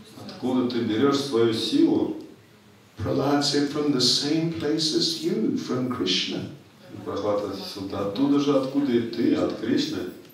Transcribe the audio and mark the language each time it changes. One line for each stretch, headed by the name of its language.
Russian: Откуда ты берешь свою силу?
English: Prahlad said, from the same place as you, from Krishna.
Russian: Прохлад said, оттуда же, откуда и ты, от Кришны.